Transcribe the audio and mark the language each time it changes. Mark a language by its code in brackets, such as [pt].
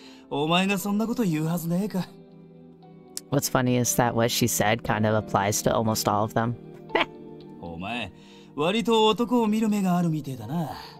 [ja] お前がそんなこと言うはずねえか。 [en] What's funny is that what she said kind of applies to almost all of them. [ja] お前、割と男を見る目があるみてえだな。